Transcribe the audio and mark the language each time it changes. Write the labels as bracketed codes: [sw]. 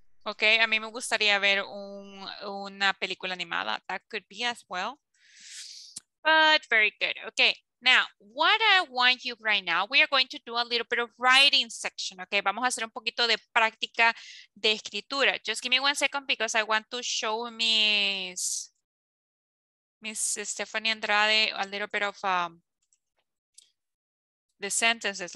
[es] Okay, a mí me gustaría ver una película animada. [en] That could be as well. But very good. Okay, now, what I want you right now, we are going to do a little bit of writing section, okay? [es] Vamos a hacer un poquito de práctica de escritura. [en] Just give me 1 second because I want to show Miss Stephanie Andrade a little bit of the sentences.